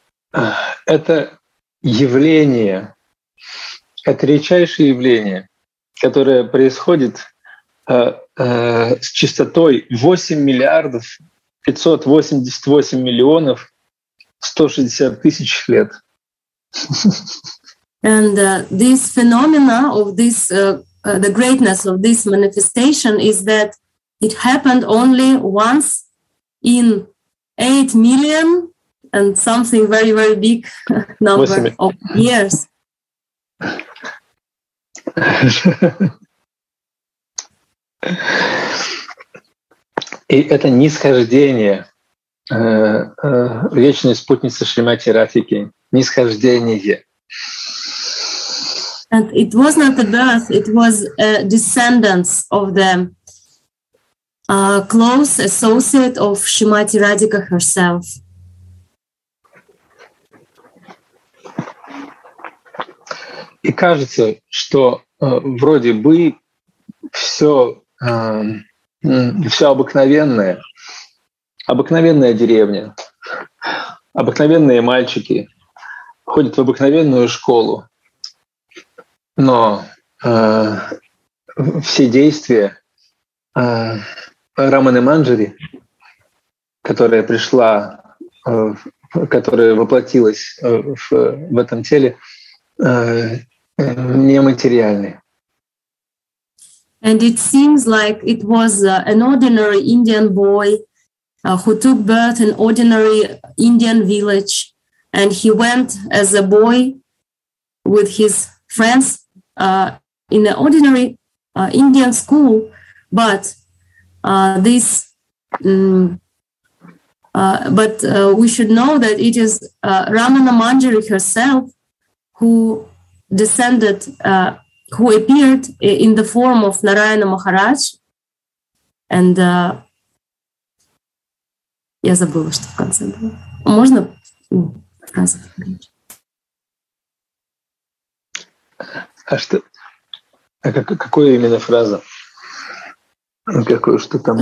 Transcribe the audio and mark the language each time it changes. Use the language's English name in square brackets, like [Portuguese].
[Russian] Это явление, это редчайшее явление, которое происходит с частотой 8 588 160 000 лет. [English] And this phenomena of this the greatness of this manifestation is that it happened only once in 8 million and something very very big number 8 of years. [Russian] И это нисхождение вечной спутницы Шримати Радхики, нисхождение. [English] And it was not a birth, it was a descendants of the close associate of Shrimati Radhika herself. [Russian] И кажется, что вроде бы все, все обыкновенное, обыкновенная деревня, обыкновенные мальчики ходят в обыкновенную школу, но все действия Раманы Манджари, которая пришла, которая воплотилась в этом теле, нематериальные. [English] And it seems like it was an ordinary Indian boy who took birth in ordinary Indian village, and he went as a boy with his friends in an ordinary Indian school, but this we should know that it is Ramana Manjari herself who descended, who appeared in the form of Narayana Maharaj. And [Russian] я забыла, что в конце было. Можно? А что? А какое именно фраза? Какое, что там?